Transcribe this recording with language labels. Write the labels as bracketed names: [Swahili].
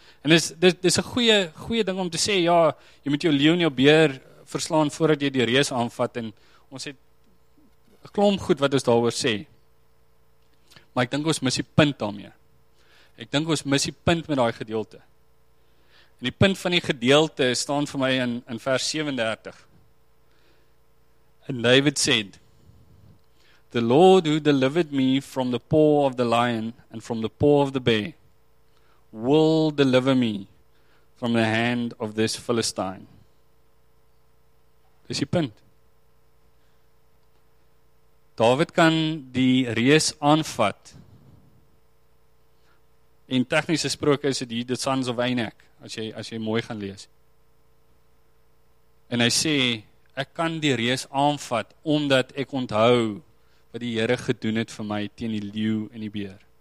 [Afrikaans] En dis 'n goeie ding om te sê, ja, jy moet jou leeu en jou beer verslaan voordat jy die reus aanvat, en ons het 'n klomp goed wat ons daaroor sê. Maar ek dink ons mis die punt daarmee. Ek dink ons mis die punt met daai gedeelte. En die punt van die gedeelte staan vir my in vers 37. En David sê, [English] "The Lord who delivered me from the paw of the lion and from the paw of the bear will deliver me from the hand of this Philistine." [Afrikaans] Dis die punt. David kan die reus aanvat. In tegniese gesproke is dit hier [English] the sons of Anak, [Afrikaans] as jy mooi gaan lees. En hy sê, ek kan die reus aanvat omdat ek onthou wat die Here gedoen het vir my teen die leeu en die beer.